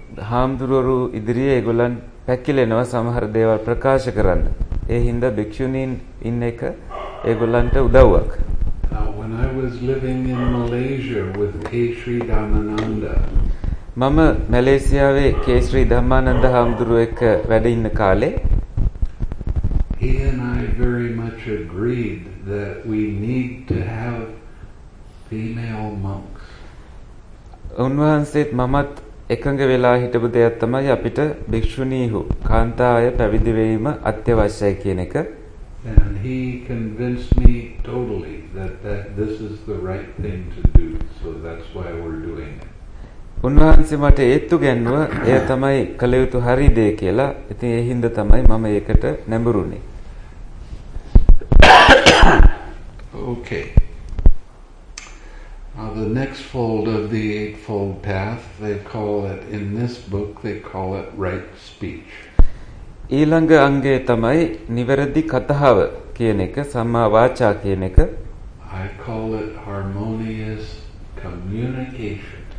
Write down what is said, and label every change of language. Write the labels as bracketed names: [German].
[Sinhala] හාමුදුරුවරු ඉදිරියේ ඒගොල්ලන් පැකිලෙනවා සමහර දේවල් ප්‍රකාශ කරන්න. ඒ හින්දා භික්ෂුණීන් ඉන්න එක ඒගොල්ලන්ට උදව්වක්. [English] When I was living in Malaysia with K. Sri Dhammananda. [Sinhala] මම මැලේසියාවේ කේශරි ධම්මානන්ද හාමුදුරුවෙක් එක්ක වැඩ ඉන්න කාලේ. [English] He and I very much agreed that we need to have female monks. [Sinhala] උන්වහන්සේත් මමත් එකඟ වෙලා හිටපු දෙයක් තමයි අපිට භික්ෂුණීහු කාන්තාවය පැවිදි වීම අත්‍යවශ්‍යයි කියන එක. [English] And he convinced me totally that this is the right thing to do, so that's why we're doing it. [Sinhala] උන්වහන්සේ මට ඒත්තු ගැන්නුව එය තමයි කළ යුතු හරි දේ කියලා. ඉතින් ඒ හින්දා තමයි මම ඒකට නැඹුරුනේ. [English] Okay. Now the next fold of the eightfold path, they call it in this book, they call it right speech. [Sinhala] ඊළඟ අංගය තමයි නිවැරදි කතාව කියන එක, සම්මා වාචා කියන එක. [English] I call it harmonious communication.